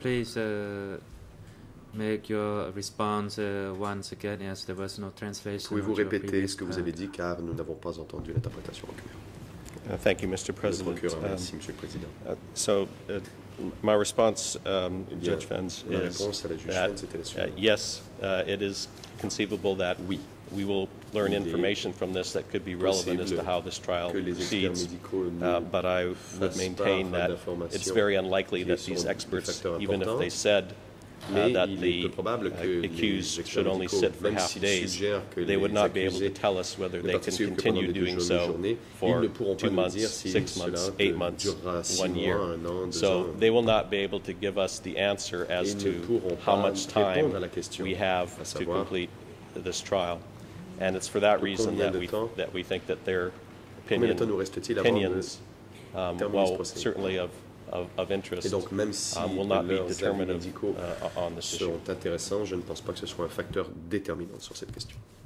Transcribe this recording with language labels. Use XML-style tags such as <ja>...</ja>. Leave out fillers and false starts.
<en>Please make your response once again, as there was no translation.</en> <fr>Pouvez-vous répéter ce que vous avez dit, car nous n'avons pas entendu l'interprétation en cours.</fr> <en>Thank you, Mr. President.</en> <fr>Merci, Monsieur le Président.</fr> <en>My response, Judge Fens, is that yes, it is conceivable that we will learn information from this that could be relevant as to how this trial proceeds, but I would maintain that it's very unlikely that these experts, even if they said that the accused should only sit for half days, they would not be able to tell us whether they can continue doing so for 2 months, 6 months, 8 months, 1 year. So they will not be able to give us the answer as to how much time we have to complete this trial. And it's for that reason that we think that their opinions, well, certainly of interest,</en> <fr>et donc, même si</fr> <en>will not be determinative on this issue.</en> <fr>Seront intéressants, je ne pense pas que ce soit un facteur déterminant sur cette question.</fr>